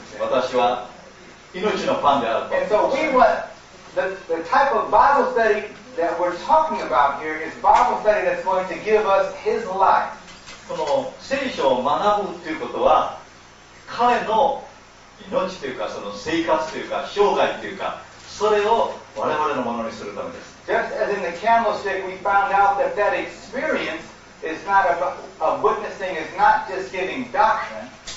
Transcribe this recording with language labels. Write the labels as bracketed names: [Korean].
[Japanese] 私は命のパンであると。 [English] And so we want the type of Bible study that we're talking about here is Bible study that's going to give us His life. [Japanese] この聖書を学ぶということは、彼の命というか、その生活というか、生涯というか、それを我々のものにするためです。 [English] Just as in the candlestick, we found out that that experience is not a witnessing, is not just giving doctrine.